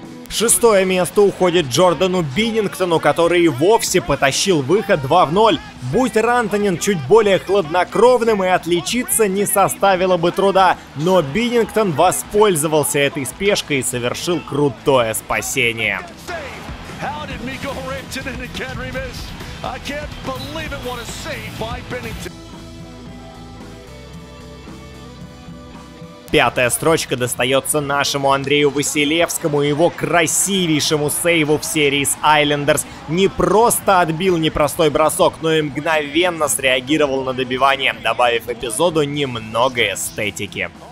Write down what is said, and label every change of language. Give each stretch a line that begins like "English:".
Russian: Шестое место уходит Джордану Биннингтону, который и вовсе потащил выход 2 в 0. Будь Рантанен чуть более хладнокровным, и отличиться не составило бы труда. Но Биннингтон воспользовался этой спешкой и совершил крутое спасение.
English: How did Mikko Rantanen again remiss? I can't believe it, what a save by Binnington.
Russian: Пятая строчка достается нашему Андрею Василевскому и его красивейшему сейву в серии с Islanders. Не просто отбил непростой бросок, но и мгновенно среагировал на добивание, добавив эпизоду немного эстетики.